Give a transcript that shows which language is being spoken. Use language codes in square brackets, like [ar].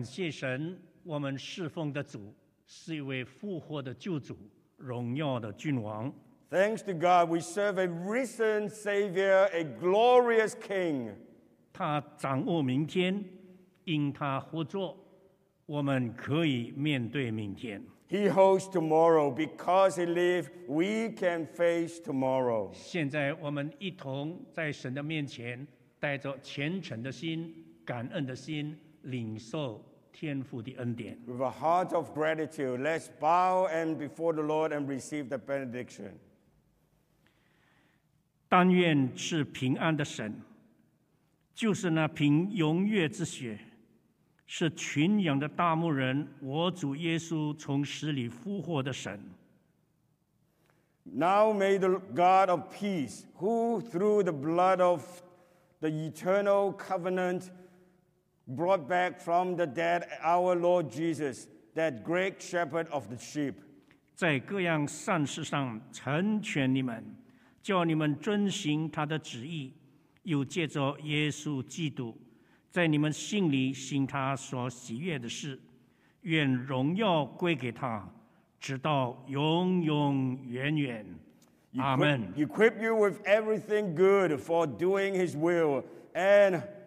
[zh] 神，我们侍奉的主是一位复活的救主，荣耀的君王。 [en] Thanks to God, we serve a risen Savior, a glorious King. [zh] 他掌握明天，因他活着，我们可以面对明天。 [en] He holds tomorrow, because He lives, we can face tomorrow. [zh] 现在我们一同在神的面前，带着虔诚的心、感恩的心，领受天父的恩典。 [en] With a heart of gratitude, let's bow and before the Lord and receive the benediction. [zh] 但愿赐平安的神，就是那凭永越之血，是群羊的大牧人，我主耶稣从死里复活的神。 [en] Now may the God of peace, who through the blood of the eternal covenant,brought back from the dead our Lord Jesus, that great shepherd of the sheep. [zh] 在各样善事上成全你们，叫你们遵行他的旨意，又借着耶稣基督，在你们心里行他所喜悦的事，愿荣耀归给他，直到永永远远。 [en] Amen. Equip you with everything good for doing his will, and...